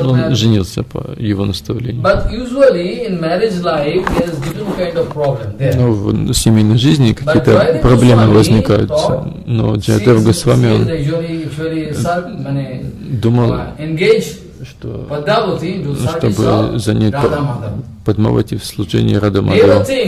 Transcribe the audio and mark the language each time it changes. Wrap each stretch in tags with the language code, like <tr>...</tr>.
<ru>Женился по его наставлению.</ru> <en>But usually in marriage life there's different kind of problem there.</en> <ru>Но в семейной жизни какие-то проблемы возникают. Но Джаядев Госвами, он думал, чтобы занять Падмавати в служении Радха Мадхава.</ru>